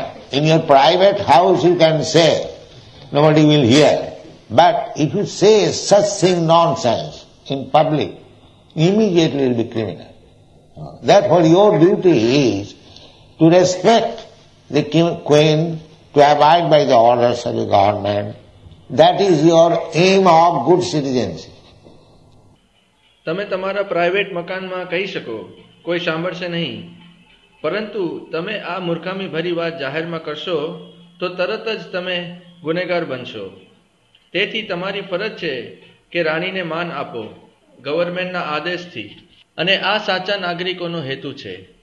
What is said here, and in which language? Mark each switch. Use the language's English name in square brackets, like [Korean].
[English] In your private house you can say, nobody will hear, but if you say such thing nonsense in public, immediately will be criminal. Therefore, your duty is to respect the queen, to abide by the orders of the government. That is your aim of good citizenship. [Gujarati] તમે તમારા private મકાનમાં કહી શકો, કોઈ સાંભળશે નહીં, પરંતુ તમે આ મૂર્ખામી ભરી વાત જાહેરમાં કરશો તો તરત જ તમે ગુનેગાર બનશો. તેથી તમારી ફરજ છે કે રાણીને માન આપો ગવર્મેન્ટના આદેશથી, અને આ સાચા નાગરિકોનો હેતુ છે.